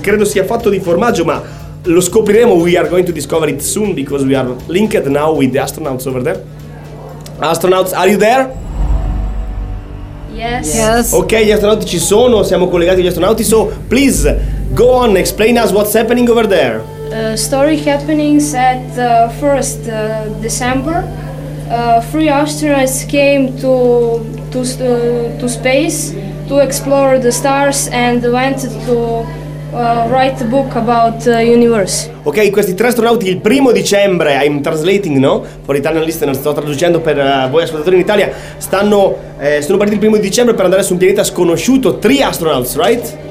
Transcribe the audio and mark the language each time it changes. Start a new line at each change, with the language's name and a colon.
Italian: Credo sia fatto di formaggio, ma lo scopriremo.
English: We are going to discover it soon because we are linked now with the astronauts over there. Astronauts, are you there? Yes.
Italian: Ok, gli astronauti ci sono, siamo collegati agli astronauti.
English: So, please, go on, explain us what's happening over there. Story happening at 1st December. Three astronauts came to space to explore the stars and went to write a book about the universe.
Italian: Ok, questi tre astronauti il primo dicembre,
English: I'm translating, no? For Italian listeners,
Italian: sto traducendo per voi ascoltatori in Italia, sono partiti il primo dicembre per andare su un pianeta sconosciuto,
English: three astronauts, right?